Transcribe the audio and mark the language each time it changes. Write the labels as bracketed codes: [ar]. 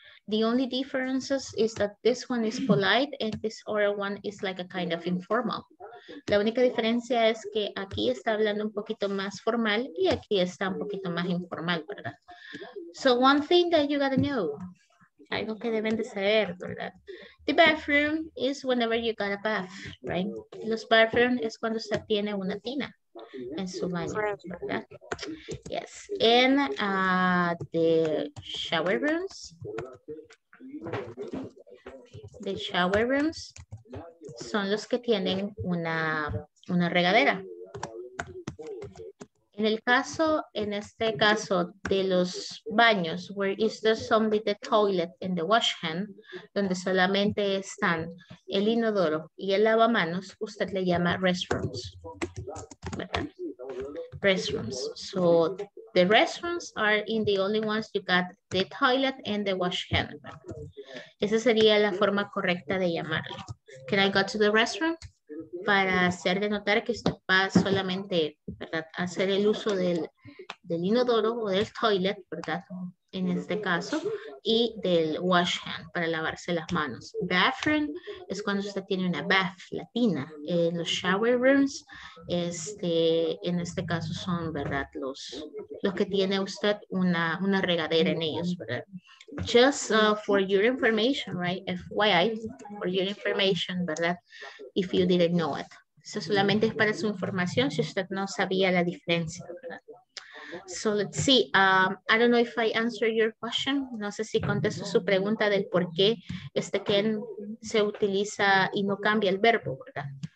[en] The only difference is that this one is polite and this other one is like a kind of informal. [es] La única diferencia es que aquí está hablando un poquito más formal y aquí está un poquito más informal, ¿verdad? [en] So one thing that you gotta know, [es] algo que deben de saber, ¿verdad? [en] The bathroom is whenever you got a bath, right? [es] Los bathroom es cuando usted tiene una tina en su baño, ¿verdad? [en] Yes. And the shower rooms. The shower rooms [es] son los que tienen una regadera. En el caso, en este caso de los baños, [en] where is there only the toilet and the wash hand, [es] donde solamente están el inodoro y el lavamanos, usted le llama restrooms. [en] Restrooms. So the restrooms are in the only ones you got the toilet and the wash hand. [es] Esa sería la forma correcta de llamarlo. [en] Can I go to the restroom? [es] Para hacer de notar que usted va solamente, ¿verdad?, hacer el uso del inodoro o del toilet, ¿verdad?, en este caso, y del wash hand para lavarse las manos. Bathroom es cuando usted tiene una bath, la tina. Los shower rooms, en este caso son, ¿verdad?, los que tiene usted una regadera en ellos, ¿verdad? [en] Just for your information, right? FYI, for your information, ¿verdad? If you didn't know it. [es] Eso solamente es para su información si usted no sabía la diferencia, ¿verdad? [en] So let's see. I don't know if I answered your question. [es] No sé si contesto su pregunta del por qué este can se utiliza y no cambia el verbo, ¿verdad?